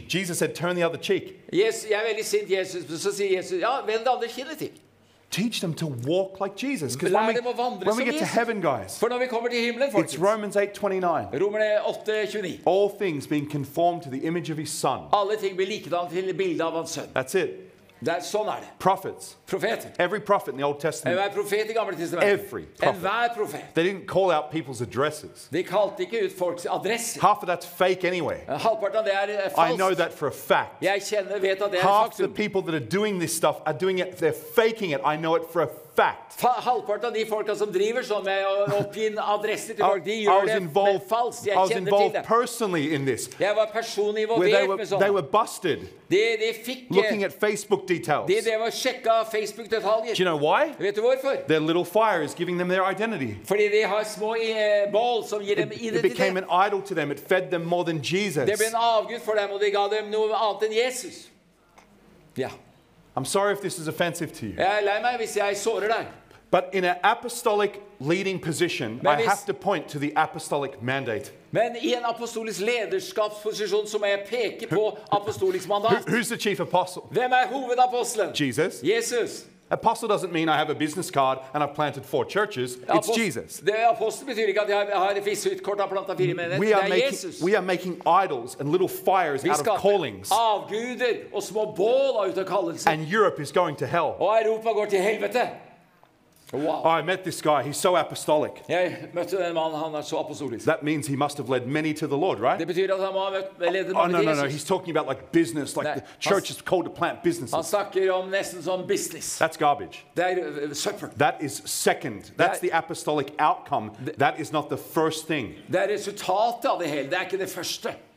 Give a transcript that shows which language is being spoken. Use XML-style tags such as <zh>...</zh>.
<en>Jesus said, turn the other cheek.</en> <no>Yes, jeg veldig sint, Jesus. Så sier Jesus, ja, vend det andre kinnet til.</no> <en>Teach them to walk like Jesus. Because when we get to heaven, guys,</en> <no>for når vi kommer til himmelen, folkens,</no> <en>it's Romans 8:29. All things being conformed to the image of his son.</en> <no>Alle ting blir likedan til bildet av hans sønn.</no> <en>That's it. That's</en> <no>sånn det.</no> <en>Prophets.</en> <no>Profeter.</no> <en>Every prophet in the Old Testament.</en> <no>Hver profet I Gamle Testamentet.</no> <en>Every prophet.</en> <no>Hver profet.</no> <en>They didn't call out people's addresses.</en> <no>De kalte ikke ut folks adresser.</no> <en>Half of that's fake anyway.</en> <no>Halvparten av det falskt.</no> <en>I know that for a fact.</en> <no>Jeg kjenner, vet at det</no> <en>Half the people that are doing this stuff are doing it, they're faking it. I know it for a fact.</en> <no>Halvparten av de folkene som driver sånn med å oppgi adresser til folk, de gjør det med falskt.</no> <en>I was involved personally in this.</en> <no>Jeg var personlig involvert med sånn.</no> <en>They were busted.</en> <no>De fikk,</no> <en>looking at Facebook details.</en> <no>De var sjekket Facebook detaljer.</no> <en>Do you know why?</en> <no>Vet du hvorfor?</no> <en>Their little fire is giving them their identity.</en> <no>Fordi de har små bål som gir dem identitet.</no> <en>It became an idol to them. It fed them more than Jesus.</en> <no>Det ble en avgud for dem, og det ga dem noe annet enn Jesus. Ja.</no> <en>I'm sorry if this is offensive to you.</en> <no>Jeg lei meg hvis jeg sårer deg.</no> <en>But in an apostolic leading position, I have to point to the apostolic mandate.</en> <no>Men I en apostolisk lederskapsposisjon så må jeg peke på apostolisk mandat.</no> <en>Who's the chief apostle?</en> <no>Hvem hovedapostelen?</no> <en>Jesus.</en> <no>Jesus.</no> <en>Apostle doesn't mean I have a business card and I've planted four churches. It's Jesus. We are making idols and little fires out of callings.</en> <no>Avguder og små bål ut av kallelsen.</no> <en>And Europe is going to hell.</en> <no>Og Europa går til helvete.</no> <en>Wow. I met this guy. He's so apostolic.</en> <no>Jeg møtte den mannen, han så apostolisk.</no> <en>That means he must have led many to the Lord, right?</en> <no>Det betyr at han må ha ledet mange til Jesus.</no> <en>Oh, no, he's talking about like business, like the church is called to plant businesses.</en> <no>Han snakker om nesten som business.</no> <en>That's garbage. That is second. That's the apostolic outcome. That is not the first thing.</en> <no>Det resultatet av det hele, det ikke det første.</no>